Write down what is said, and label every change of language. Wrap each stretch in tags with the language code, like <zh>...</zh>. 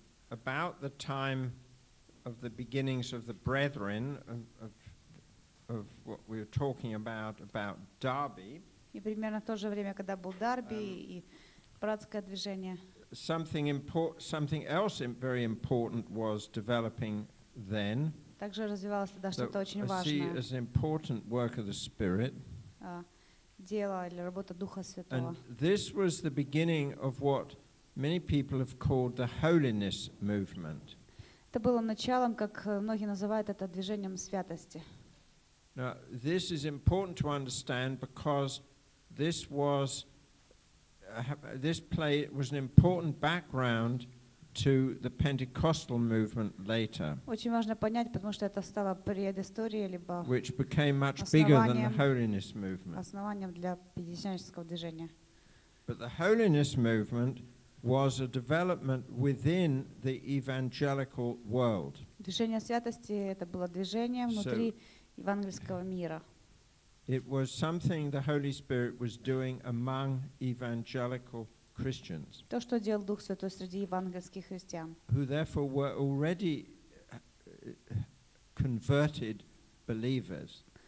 <en>About the time of the beginnings of the brethren of what we were talking about Darby.</en> <ru>И примерно в то же время, когда был Дарби и братское движение.</ru> <en>Something else very important was developing then.</en> <ru>Также развивалось тогда что-то очень важное.</ru> <en>See as an important work of the Spirit.</en> <ru>Дело или работа Духа Святого.</ru> <en>And this was the beginning of what many people have called the holiness movement.</en> <ru>Это было началом, как многие называют это, движением святости.</ru> <en>Now, this is important to understand because this was an important background to the Pentecostal movement later.</en> <ru>Очень важно понять, потому что это стало предысторией либо</ru> <en>which became much bigger than the holiness movement.</en> <ru>Основанием для пятидесятнического движения.</ru> <en>But the holiness movement was a development within the evangelical world.</en> <ru>Движение святости это было движение внутри евангельского мира.</ru> <en>It was something the Holy Spirit was doing among evangelical Christians.</en> <ru>То, что делал Дух Святой среди евангельских христиан.</ru> <en>Who therefore were already converted believers.</en>